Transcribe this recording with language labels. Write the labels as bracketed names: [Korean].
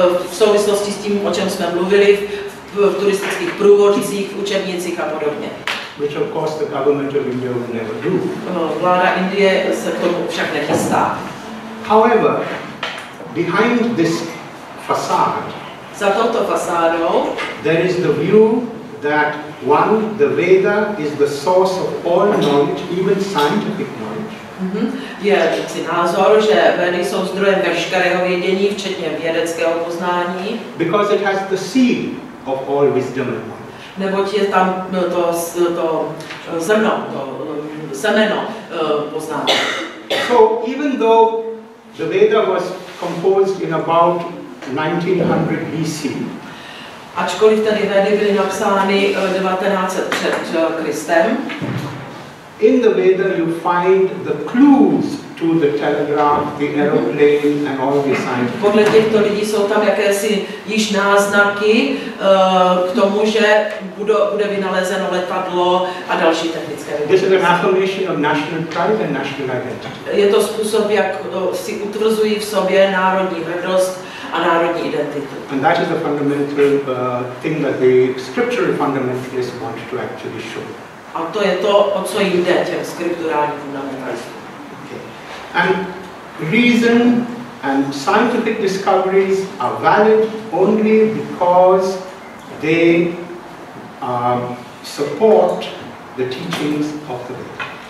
[Czech] V souvislosti s tím, o čem jsme mluvili, v turistických průvodcích, v učebnicích a podobně. [English] Which of course the government of India will never do. [Czech] Vláda Indie se k tomu však nechystá. [English] However, behind this facade, [Czech] za touto fasádou, [English] there is the view that one, the Veda is the source of all knowledge, even scientific knowledge. [Czech] Je si názor, že Vedy jsou zdrojem veškerého vědění, včetně vědeckého poznání. [English] Because it has the seed of all wisdom and knowledge. [Czech] Neboť je tam to zrno, to semeno poznání. [English] So even though the Veda was composed in about 1900 BC. [Czech] Ačkoliv tedy Vedy byly napsány 1900 před Kristem. [English] In the Veda you find the clues to the telegraph, the aeroplane and all the signs. [Czech] Podle těchto lidí jsou tam jakési již náznaky k tomu, že bude vynalezeno letadlo a další technické věci. [English] This is an affirmation of national pride and national identity. [Czech] Je to způsob, jak si utvrzují v sobě národní hrdost a národní identitu. [English] And that is the fundamental thing that the scriptural fundamentalists want to actually show. [Czech] A to je to, o co jde těm skripturálním fundamentalistům. [English] Okay. And reason and scientific discoveries are valid only because they support the teachings of the Veda.